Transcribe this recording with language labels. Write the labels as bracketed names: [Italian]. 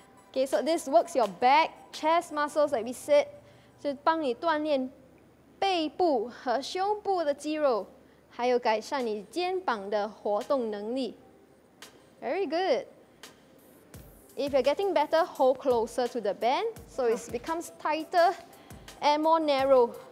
[English] Okay, so this works your back, chest muscles, like we said. [Chinese] 就帮你锻炼背部和胸部的肌肉. 还有改善你肩膀的活动能力. [English] Very good. If you're getting better, hold closer to the band so it becomes tighter and more narrow.